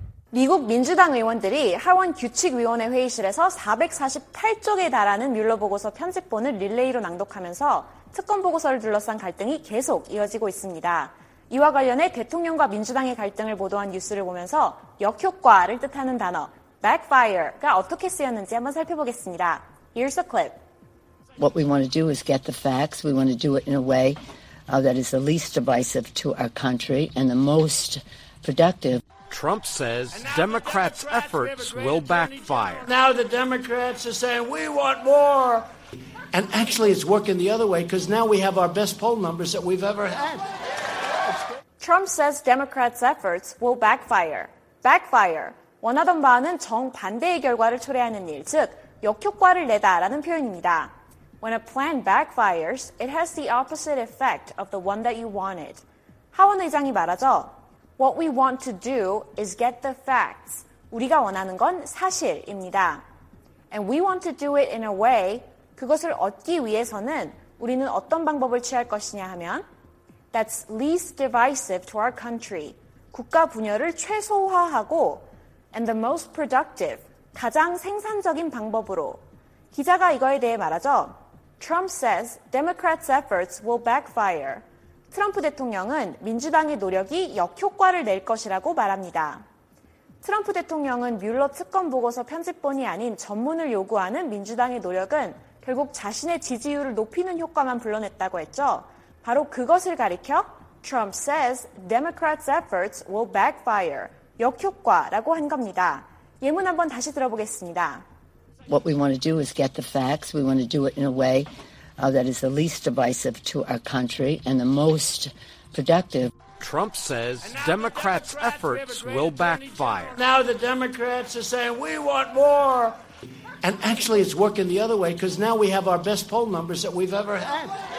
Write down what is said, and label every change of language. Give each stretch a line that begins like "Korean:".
Korean: 미국 민주당 의원들이 하원 규칙위원회 회의실에서 448쪽에 달하는 뮬러 보고서 편집본을 릴레이로 낭독하면서 특검 보고서를 둘러싼 갈등이 계속 이어지고 있습니다. 이와 관련해 대통령과 민주당의 갈등을 보도한 뉴스를 보면서 역효과를 뜻하는 단어 backfire가 어떻게 쓰였는지 한번 살펴보겠습니다.
English: Here's a clip. What we want to do is get the facts. We want to do it in a way that is the least divisive to our country and the most productive. Trump says Democrats' efforts will backfire. Now the Democrats are saying, we want more. And actually, it's working the other way because now we have our best poll numbers that we've ever had. Trump says Democrats' efforts will backfire. Backfire.
Korean: 원하던 바는 정반대의 결과를 초래하는 일, 즉 역효과를 내다라는 표현입니다.
English: When a plan backfires, it has the opposite effect of the one that you wanted.
Korean: 하원 의장이 말하죠.
English: What we want to do is get the facts.
Korean: 우리가 원하는 건 사실입니다.
English: And we want to do it in a way.
Korean: 그것을 얻기 위해서는 우리는 어떤 방법을 취할 것이냐 하면
English: That's least divisive to our country.
Korean: 국가 분열을 최소화하고
English: And the most productive.
Korean: 가장 생산적인 방법으로. 기자가 이거에 대해 말하죠.
English: Trump says Democrats' efforts will backfire.
Korean: 트럼프 대통령은 민주당의 노력이 역효과를 낼 것이라고 말합니다. 트럼프 대통령은 뮬러 특검 보고서 편집본이 아닌 전문을 요구하는 민주당의 노력은 결국 자신의 지지율을 높이는 효과만 불러냈다고 했죠. 바로 그것을 가리켜
English: Trump says Democrats' efforts will backfire.
Korean: 역효과라고 한 겁니다. 예문 한번 다시 들어보겠습니다.
English: What we want to do is get the facts. We want to do it in a way that is the least divisive to our country and the most productive. Trump says Democrats' efforts will backfire. Now the Democrats are saying, we want more. And actually, it's working the other way because now we have our best poll numbers that we've ever had.